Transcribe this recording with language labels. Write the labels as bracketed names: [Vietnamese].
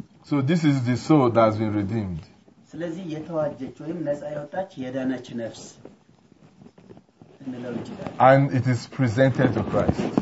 [English] So this is the soul that has been redeemed. [Amharic] ስለዚህ የተዋጀች ወይም ነጻ የወጣች የዳነች ነፍስ [English] And it is presented to Christ.